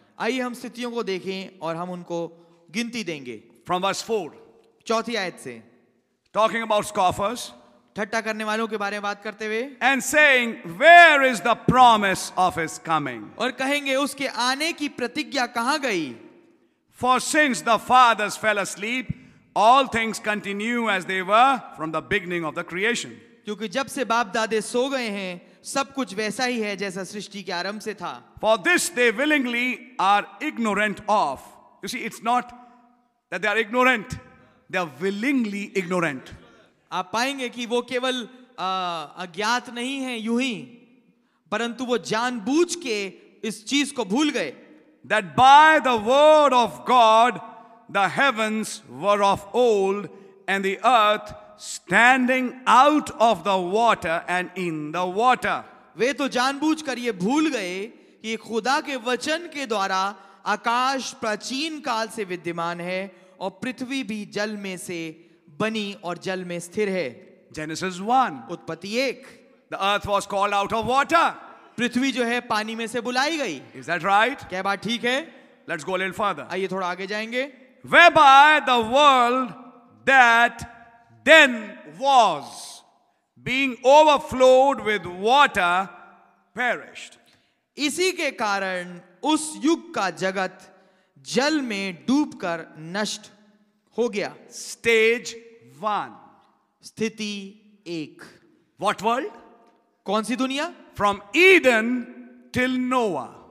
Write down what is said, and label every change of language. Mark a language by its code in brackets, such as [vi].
[hi] आइए हम स्थितियों को देखें और हम उनको गिनती देंगे [en] from verse 4 [hi] चौथी आयत से [en] talking about scoffers [hi] ठट्टा करने वालों के बारे में बात करते हुए [en] and saying where is the promise of his coming [hi] और कहेंगे उसके आने की प्रतिज्ञा कहां गई [en] For since the fathers fell asleep All things continue as they were from the beginning of the creation. [hi] क्योंकि जब से बाप दादे सो गए हैं, सब कुछ वैसा ही है जैसा सृष्टि के आरंभ से था. [en] For this they willingly are ignorant of. You see, it's not that they are ignorant; they are willingly ignorant. [hi] आप पाएंगे कि वो केवल अज्ञात नहीं हैं यूं ही, परंतु वो जानबूझ के इस चीज को भूल गए. [en] That by the word of God. The heavens were of old, and the earth standing out of the water and in the water. [hi] वे तो जानबूझकर ये भूल गए कि खुदा के वचन के द्वारा आकाश प्राचीन काल से विद्यमान है और पृथ्वी भी जल में से बनी और जल में स्थिर है. [en] Genesis 1. [hi] उत्पत्ति एक. [en] The earth was called out of water. [hi] पृथ्वी जो है पानी में से बुलाई गई. [en] Is that right? [hi] क्या बात ठीक है? [en] Let's go a little further. [hi] आइए थोड़ा आगे जाएंगे. [en] Whereby the world that then was being overflowed with water perished. [hi] इसी के कारण उस युग का जगत जल में डूबकर नष्ट हो गया. [en] Stage one. [hi] स्थिति एक. [en] What world? [hi] कौन सी दुनिया? [en] From Eden till Noah.